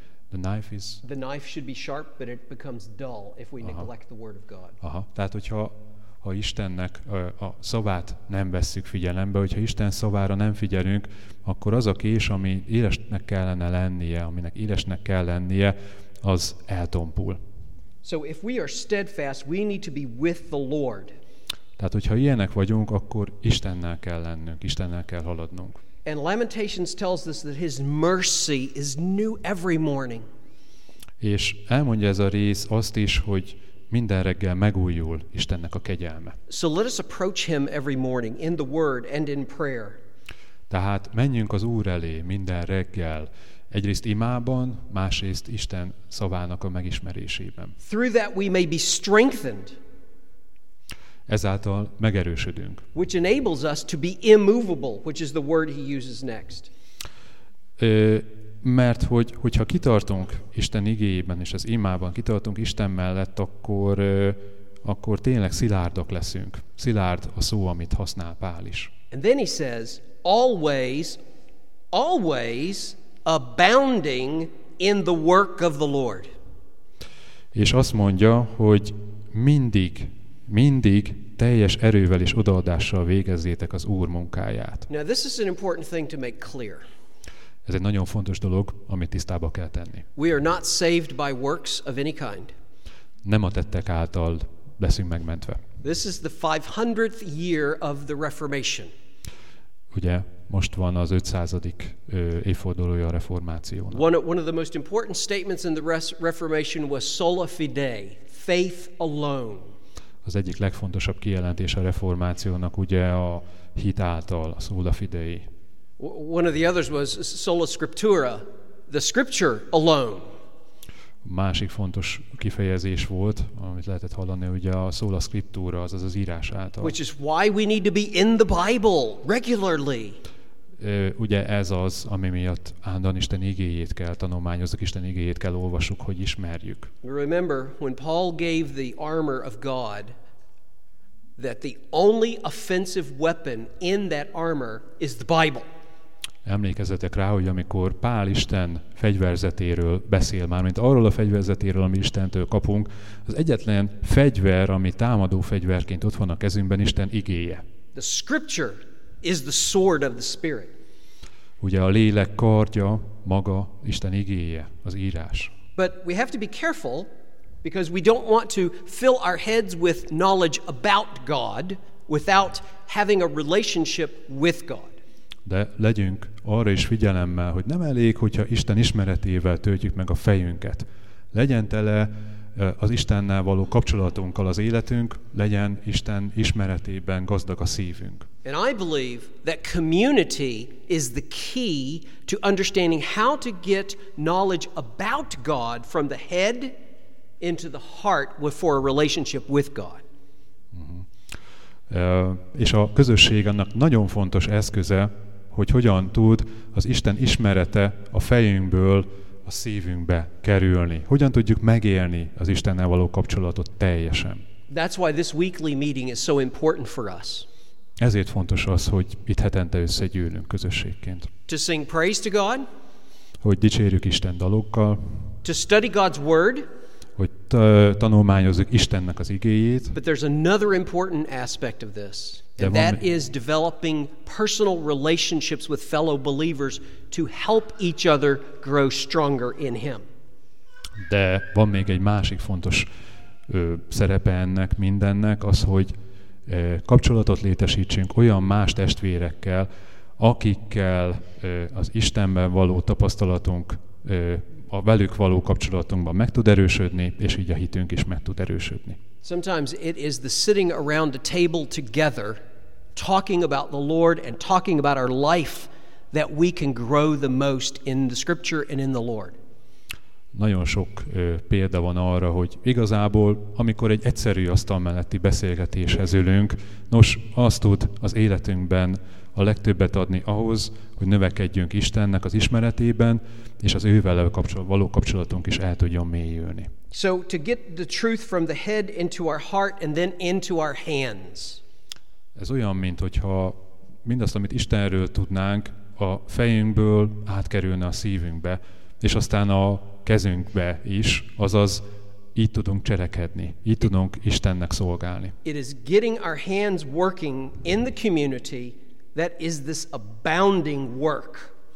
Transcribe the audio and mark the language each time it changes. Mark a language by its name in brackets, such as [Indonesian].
[English] the knife should be sharp, but it becomes dull if we neglect the word of God. Aha. [Hungarian] Tehát hogyha Istennek a szavát nem vesszük figyelembe, hogyha Isten szavára nem figyelünk, akkor az a kés, ami élesnek kellene lennie, aminek élesnek kell lennie, az eltompul. [English] So if we are steadfast, we need to be with the Lord. [Hungarian] Tehát hogyha ilyenek vagyunk, akkor Istennel kell lennünk, Istennel kell haladnunk. [English] And Lamentations tells us that his mercy is new every morning. [Hungarian] És elmondja ez a rész azt is, hogy minden reggel megújul Istennek a kegyelme. [English] So let us approach him every morning in the word and in prayer. [Hungarian] Tehát menjünk az Úr elé minden reggel, egyrészt imában, másrészt Isten szavának a megismerésében. [English] Through that we may be strengthened. [Hungarian] Ezáltal megerősödünk. [English] Which enables us to be immovable, which is the word he uses next. [Hungarian] Mert hogyha kitartunk Isten igéjében és az imában, kitartunk Isten mellett, akkor tényleg szilárdok leszünk. Szilárd a szó, amit használ Pál is. [English] And then he says, always, always abounding in the work of the Lord. [Hungarian] És azt mondja, hogy mindig teljes erővel és odaadással végezzétek az Úr munkáját. [English] Now this is an important thing to make clear. [Hungarian] Ez egy nagyon fontos dolog, amit tisztába kell tenni. [English] We are not saved by works of any kind. [Hungarian] Nem a tettek által leszünk megmentve. [English] This is the 500th year of the Reformation. [Hungarian] Ugye, most van az 500. évfordulója a reformációnak. [English] One of the most important statements in the Reformation was sola fide, faith alone. [Hungarian] Az egyik legfontosabb kijelentés a reformációnak, ugye a hit által, a sola fidei. [English] One of the others was sola scriptura, the scripture alone. [Hungarian] Másik fontos kifejezés volt, amit lehetett hallani, ugye a sola scriptura, azaz az írás által. [English] Which is why we need to be in the Bible regularly. [Hungarian] Ugye ez az, ami miatt állandóan Isten igéjét kell tanulmányozzuk, Isten igéjét kell olvasuk, hogy ismerjük. [English] Remember when Paul gave the armor of God, that the only offensive weapon in that armor is the Bible. [Hungarian] Emlékezzetek rá, hogy amikor Pál Isten fegyverzetéről beszél, mármint arról a fegyverzetéről, ami Istentől kapunk, az egyetlen fegyver, ami támadó fegyverként ott van a kezünkben, Isten igéje. [English] The scripture is the sword of the spirit. [Hungarian] Ugye a lélek kardja, maga Isten igéje, az írás. [English] But we have to be careful, because we don't want to fill our heads with knowledge about God without having a relationship with God. [Hungarian] De legyünk arra is figyelemmel, hogy nem elég, hogyha Isten ismeretével töltjük meg a fejünket. Legyen tele az Istennel való kapcsolatunkkal az életünk, legyen Isten ismeretében gazdag a szívünk. [English] And I believe that community is the key to understanding how to get knowledge about God from the head into the heart for a relationship with God. [Hungarian] És a közösség annak nagyon fontos eszköze, hogy hogyan tud az Isten ismerete a fejünkből a szívünkbe kerülni. Hogyan tudjuk megélni az Istennel való kapcsolatot teljesen. [English] That's why this weekly meeting is so important for us. [Hungarian] Ezért fontos az, hogy itt hetente összegyűlünk közösségként. [English] To sing praise to God. [Hungarian] Hogy dicsérjük Isten dalokkal. [English] To study God's word. [Hungarian] Hogy tanulmányozzuk Istennek az igéjét. [English] But there's another important aspect of this. And that is developing personal relationships with fellow believers to help each other grow stronger in Him. [Hungarian] De van még egy másik fontos szerepe ennek mindennek, az, hogy kapcsolatot létesítsünk olyan más testvérekkel, akikkel az Istenben való tapasztalatunk, a velük való kapcsolatunkban meg tud erősödni, és így a hitünk is meg tud erősödni. [English] Sometimes it is the sitting around the table together, talking about the Lord and talking about our life, that we can grow the most in the scripture and in the Lord. [Hungarian] Nagyon sok példa van arra, hogy igazából, amikor egy egyszerű asztal melletti beszélgetéshez ülünk, nos, az tud az életünkben a legtöbbet adni ahhoz, hogy növekedjünk Istennek az ismeretében, és az ővel való kapcsolatunk is el tudjon mélyülni. [English] So to get the truth from the head into our heart and then into our hands. [Hungarian] Ez olyan, mint hogyha mindazt, amit Istenről tudnánk, a fejünkből átkerülne a szívünkbe, és aztán a kezünkbe is, azaz így tudunk cselekedni, így tudunk Istennek szolgálni. [English] It is getting our hands working in the community that is this abounding work.